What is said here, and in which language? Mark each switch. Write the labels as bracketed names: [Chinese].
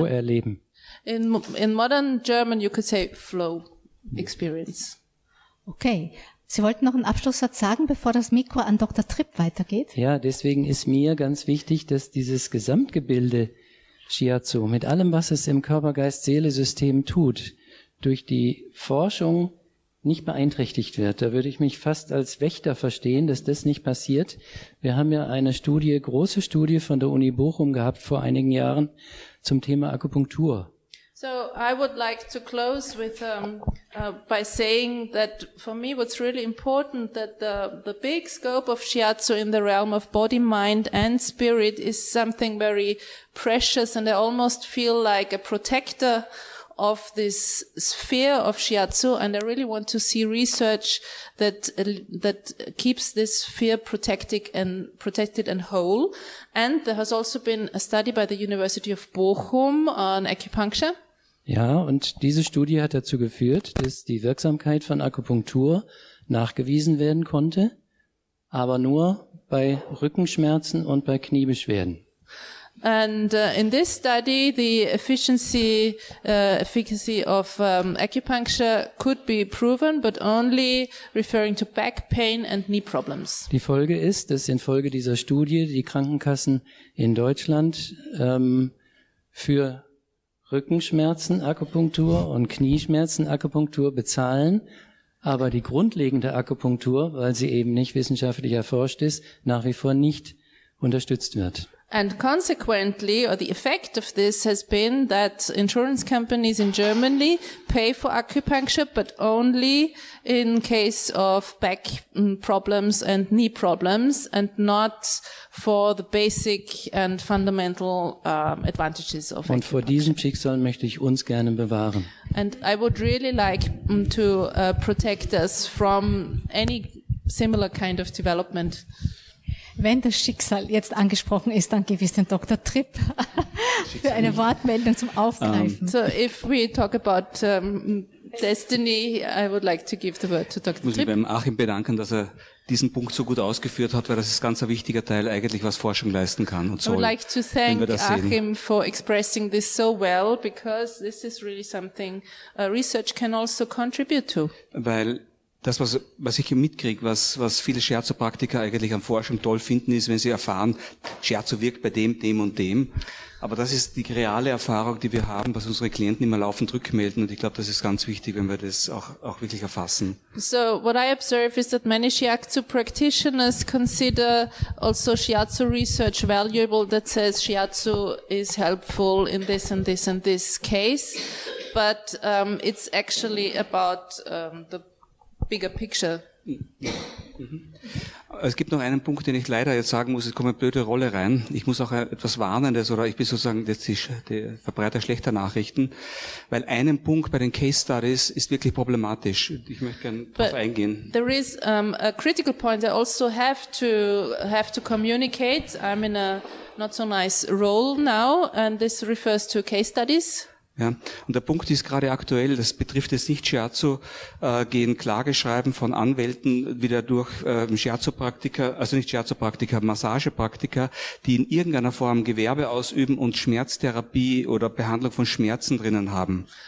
[English] In modern German you could say flow experience. Okay. [German] Sie wollten noch einen Abschlusssatz sagen, bevor das Mikro an Dr. Tripp weitergeht? Ja, deswegen ist mir ganz wichtig, dass dieses Gesamtgebilde Shiatsu mit allem, was es im Körper-Geist-Seele-System tut, durch die Forschung nicht beeinträchtigt wird. Da würde ich mich fast als Wächter verstehen, dass das nicht passiert. Wir haben ja eine Studie, große Studie von der Uni Bochum gehabt vor einigen Jahren zum Thema Akupunktur. [English] So I would like to close with by saying that for me what's really important that the big scope of Shiatsu in the realm of body, mind and spirit is something very precious, and I almost feel like a protector of this sphere of Shiatsu, and I really want to see research that keeps this sphere protected and whole. And there has also been a study by the University of Bochum on acupuncture. [German] Ja, und diese Studie hat dazu geführt, dass die Wirksamkeit von Akupunktur nachgewiesen werden konnte, aber nur bei Rückenschmerzen und bei Kniebeschwerden. [English] And in this study the efficacy of acupuncture could be proven, but only referring to back pain and knee problems. [German] Die Folge ist, dass infolge dieser Studie die Krankenkassen in Deutschland für Rückenschmerzen, Akupunktur und Knieschmerzen, Akupunktur bezahlen, aber die grundlegende Akupunktur, weil sie eben nicht wissenschaftlich erforscht ist, nach wie vor nicht unterstützt wird. [English] And consequently, or the effect of this has been that insurance companies in Germany pay for acupuncture, but only in case of back problems and knee problems, and not for the basic and fundamental advantages of acupuncture. [German] Und vor diesem Schicksal möchte ich uns gerne bewahren. [English] And I would really like to protect us from any similar kind of development. [German] Wenn das Schicksal jetzt angesprochen ist, dann gebe ich den Dr. Tripp für eine Wortmeldung zum Aufgreifen. [English] So, if we talk about destiny, I would like to give the word to Dr. Tripp. [German] Ich muss mich beim Achim bedanken, dass er diesen Punkt so gut ausgeführt hat, weil das ist ganz ein wichtiger Teil eigentlich, was Forschung leisten kann und soll. [English] I would like to thank Achim for expressing this so well, because this is really something research can also contribute to. [German] Weil das, was ich hier mitkriege, was viele Scherzo-Praktiker eigentlich an Forschung toll finden, ist, wenn sie erfahren, Scherzo wirkt bei dem, dem und dem. Aber das ist die reale Erfahrung, die wir haben, was unsere Klienten immer laufend rückmelden. Und ich glaube, das ist ganz wichtig, wenn wir das auch wirklich erfassen. [English] So, what I observe is that many Shiatsu practitioners consider also Shiatsu research valuable, that says Shiatsu is helpful in this and this and this case. But it's actually about the bigger picture. [German] Es gibt noch einen Punkt, den ich leider jetzt sagen muss, es kommt eine blöde Rolle rein. Ich muss auch etwas Warnendes, oder ich bin sozusagen jetzt der Verbreiter schlechter Nachrichten, weil einen Punkt bei den Case Studies ist wirklich problematisch. Ich möchte gerne darauf eingehen. [English] There is a critical point I also have to communicate. I'm in a not so nice role now, and this refers to case studies. [German] Ja, und der Punkt ist gerade aktuell, das betrifft jetzt nicht Shiatsu, gehen Klageschreiben von Anwälten wieder durch Shiatsu-Praktiker, also nicht Shiatsu-Praktiker, Massage-Praktiker, die in irgendeiner Form Gewerbe ausüben und Schmerztherapie oder Behandlung von Schmerzen drinnen haben.